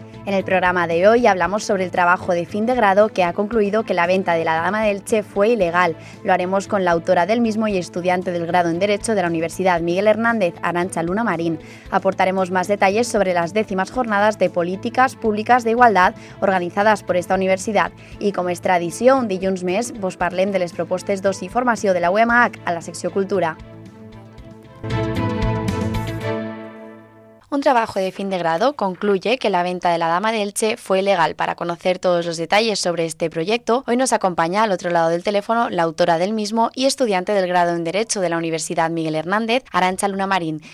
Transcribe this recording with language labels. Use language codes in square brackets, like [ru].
[es] En el programa de hoy hablamos sobre el trabajo de fin de grado que ha concluido que la venta de La Dama de Elche fue ilegal. Lo haremos con la autora del mismo y estudiante del grado en Derecho de la Universidad Miguel Hernández, Arantxa Luna Marín. Aportaremos más detalles sobre las décimas jornadas de políticas públicas de igualdad organizadas por esta universidad. [ca] Y com és tradició, un dilluns més, vos parlem de les propostes d'oci i formació de la UMH a la secció Cultura. [es] Un trabajo de fin de grado concluye que la venta de La Dama de Elche fue ilegal. Para conocer todos los detalles sobre este proyecto, hoy nos acompaña al otro lado del teléfono la autora del mismo y estudiante del grado en Derecho de la Universidad Miguel Hernández, Arantxa Luna Marín.